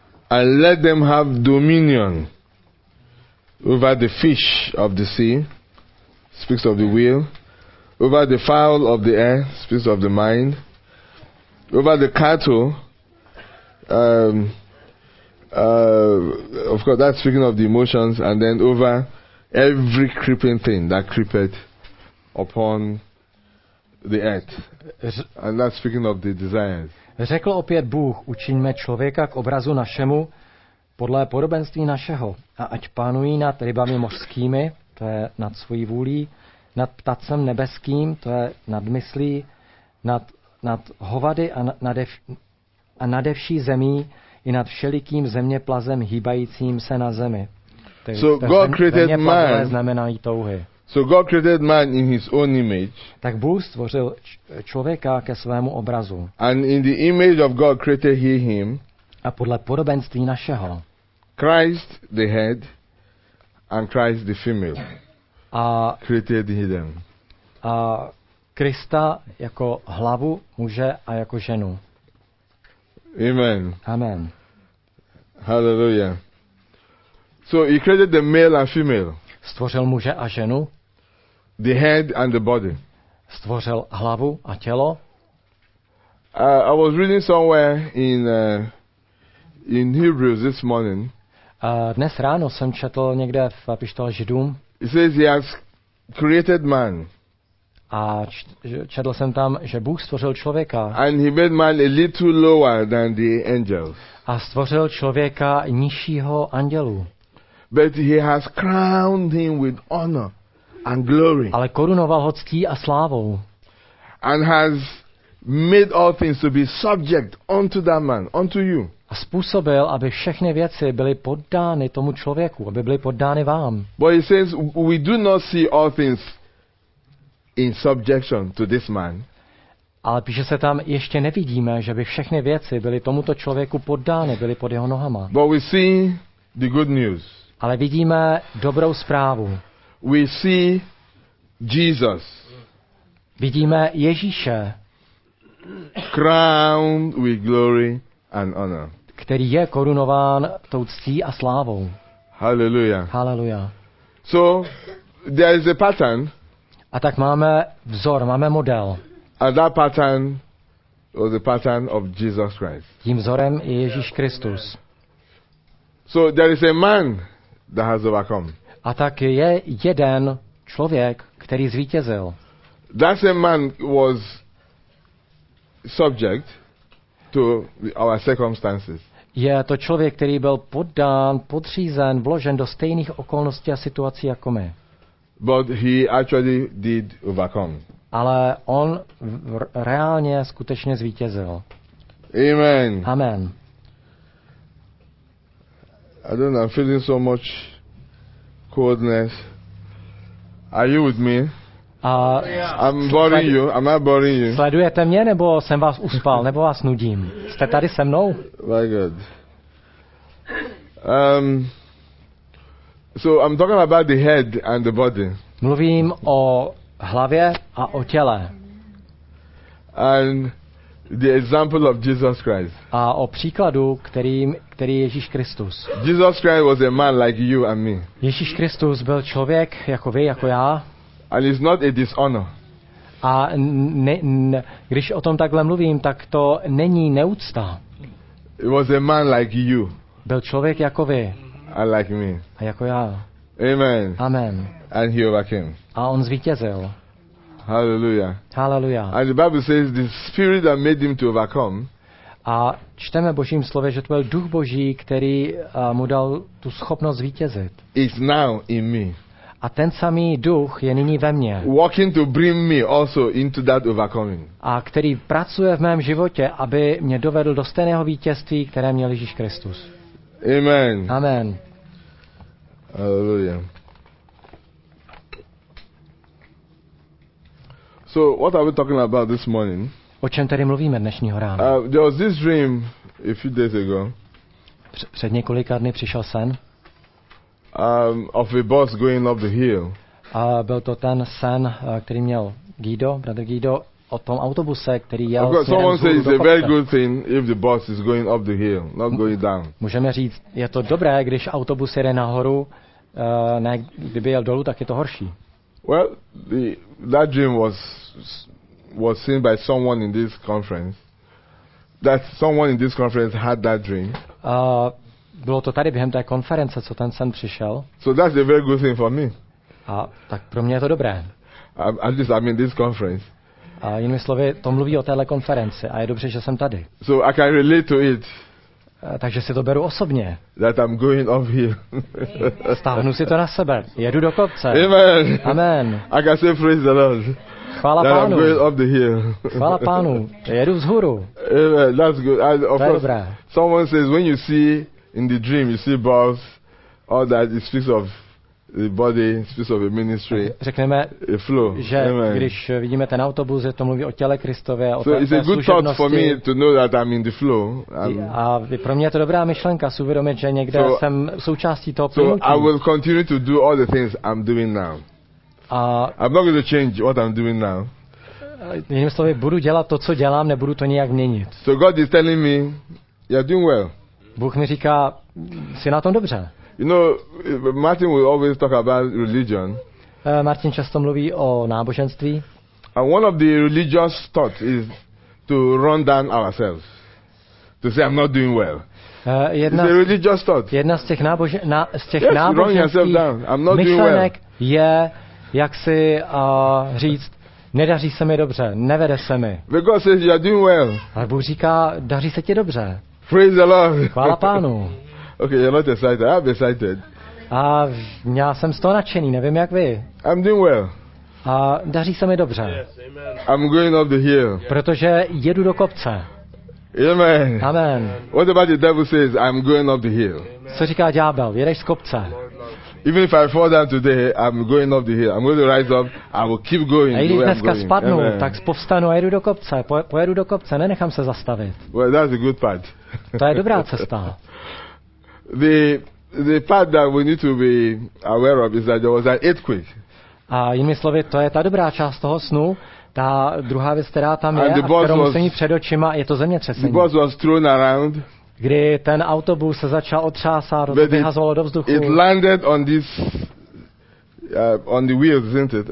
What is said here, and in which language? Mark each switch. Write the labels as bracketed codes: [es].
[en] and let them have dominion over the fish of the sea, speaks of the wheel, over the fowl of the air, speaks of the mind, over the cattle, of course that's speaking of the emotions, and then over every creeping thing that creepeth upon the earth. And that's speaking of the desires. [cs] Řekl opět Bůh, učiňme člověka k obrazu našemu, podle podobenství našeho, a ať panují nad rybami mořskými, to je nad svojí vůlí, nad ptacem nebeským, to je nad myslí, nad hovady a nade vší zemí i nad všelikým zeměplazem hýbajícím se na zemi. [en] So God created man. [cs] Znamenají touhy. [en] So God created man in his own image. [cs] Tak Bůh stvořil člověka ke svému obrazu. [en] And in the image of God created he him. [cs] A podle podobenství našeho. [en] Christ the head and Christ the female. A created he them. [cs] A Krista jako hlavu muže a jako ženu. Amen. Amen. [en] Hallelujah. So he created the male and female. [cs] Stvořil muže a ženu. [en] The head and the body. [cs] Stvořil hlavu a tělo. [en] I was reading somewhere in Hebrews this morning. [cs] Dnes ráno jsem četl někde v Epištole Židům. [en] It says he has created man. [cs] A četl jsem tam, že Bůh stvořil člověka. [en] And he made man a little lower than the angels. [cs] A stvořil člověka nižšího andělu. [en] But he has crowned him with honor and glory. [cs] Ale korunoval ho ctí a slávou. [en] And has made all things to be subject unto that man, unto you. [cs] A způsobil, aby všechny věci byly poddány tomu člověku, aby byly poddány vám. [en] But he says we do not see all things in subjection to this man. [cs] Ale píše se tam, ještě nevidíme, že by všechny věci byly tomuto člověku poddány, byly pod jeho nohama. [en] But we see the good news. [cs] Ale vidíme dobrou zprávu. [en] We see Jesus. [cs] Vidíme Ježíše. [en] Crowned with glory and honor. [cs] Který je korunován tou ctí a slávou. Hallelujah. Hallelujah. [en] So there is a pattern. [cs] A tak máme vzor, máme model. [en] And that pattern was the pattern of Jesus Christ. [cs] Tím vzorem je Ježíš Kristus. [en] So there is a man that has overcome. [cs] A tak je jeden člověk, který zvítězil. [en] That same man was subject to our circumstances. [cs] Je to člověk, který byl poddán, podřízen, vložen do stejných okolností a situací jako my. [en] But he actually did overcome. [cs] Ale on reálně skutečně zvítězil. Amen. Amen. [en] I don't know, I'm feeling so much coldness. Are you with me? I'm boring you. Am I boring you? [cs] Sledujete mě, nebo jsem vás uspal, nebo vás nudím? Jste tady se mnou? [en] My God. So I'm talking about the head and the body. [cs] Mluvím o hlavě a o těle. [en] And the example of Jesus Christ. [cs] A o příkladu, který je Ježíš Kristus. [en] Jesus Christ was a man like you and me. [cs] Ježíš Kristus byl člověk jako vy, jako já. [en] And it's not a dishonor. [cs] A když o tom takhle mluvím, tak to není neúcta. [en] It was a man like you. [cs] Byl člověk jako vy. [en] And like me. [cs] A jako já. Amen. Amen. [en] And he overcame. [cs] A on zvítězil. Hallelujah. Hallelujah. [en] And the Bible says the spirit that made him to overcome. [cs] A čteme Božím slově, že to byl Duch Boží, který mu dal tu schopnost zvítězit. [en] Is now in me. [cs] A ten samý duch je nyní ve mně. [en] Working to bring me also into that overcoming. [cs] A který pracuje v mém životě, aby mě dovedl do stejného vítězství, které měl Ježíš Kristus. Amen. Amen. Hallelujah. [en] So what are we talking about this morning? [cs] O čem tady mluvíme dnešního rána? [en] There was this dream a few days ago. [cs] Před několika dny přišel sen. [en] Of a bus going up the hill. [cs] A byl to ten sen, který měl Guido, brother Guido, o tom autobuse, který jel směrem vzhůru. [en] Someone says it's a very good thing if the bus is going up the hill, not going down. [cs] Můžeme říct, je to dobré, když autobus jede nahoru, ne, kdyby jel dolů, tak je to horší. [en] Well, that dream was seen by someone in this conference. That someone in this conference had that dream. [cs] Bylo to tady během té konference, co ten sen přišel. [en] So that's a very good thing for me. [cs] A tak pro mě je to dobré. [en] At least I'm in this conference. [cs] A jinými slovy, to mluví o téhle konferenci a je dobře, že jsem tady. [en] So I can relate to it. [cs] Takže si to beru osobně. [en] That I'm going up here. [cs] Stáhnu si to na sebe. Jedu do kopce. Amen. Amen. [en] I can say praise the Lord. [cs] Chvála [en] that [cs] pánu. [en] I'm going up the hill. [cs] Chvála pánu. Jedu vzhůru. [en] Amen. That's good. And of [cs] to [en] course, [cs] je dobré. [en] Someone says when you see in the dream, you see boss, all that it speaks of the body, speaks of a ministry. [cs] Řekneme, [en] a flow. [cs] Že amen. Když vidíme ten autobus, je to mluví o těle Kristově, o [en] so [cs] té služebnosti. [en] It's a good thought for me to know that I'm in the flow. [cs] A pro mě je to dobrá myšlenka, si uvědomit, že někde so, jsem součástí toho plynutí. [en] So I will continue to do all the things I'm doing now. I'm not going to change what I'm doing now. [cs] Jiným slovy, budu dělat to, co dělám, nebudu to nijak měnit. [en] So God is telling me, you're doing well. [cs] Bůh mi říká, jsi na tom dobře. [en] You know, Martin will always talk about religion. [cs] Martin často mluví o náboženství. [en] And one of the religious thought is to run down ourselves. To say I'm not doing well. [cs] Jedna, [en] it's a religious thought. [cs] Jedna z těch náboženských myšlenek je, jak si říct, nedaří se mi dobře, nevede se mi. Because says you're doing well. Ale Bůh říká, daří se ti dobře. [en] Praise the Lord. [cs] Chvála pánu. [en] Okay, you're not excited. I'm excited. [cs] A já jsem z toho nadšený, nevím jak vy. [en] I'm doing well. [cs] A daří se mi dobře. [en] Yes, amen. I'm going up the hill. [cs] Protože jedu do kopce. Amen. Amen. [en] What about the devil says, I'm going up the hill. [cs] Co říká ďábel, jedeš z kopce. [en] Even if I fall down today, I'm going up the hill. I'm going to rise up. I will keep going. [cs] A když dneska spadnu, amen, tak povstanu a jedu do kopce. Pojedu do kopce, nenechám se zastavit. [en] Well, that's a good part. [cs] To je dobrá cesta. [en] The part that we need to be aware of is that there was an earthquake. [cs] A jinými slovy, to je ta dobrá část toho snu. Ta druhá věc, která tam je, a kterou musím mít před očima, je to zemětřesení. [en] The bus was thrown around. [cs] Kdy ten autobus se začal otřásat, vyhazovalo do vzduchu. [en] It landed on this on the wheels, isn't it?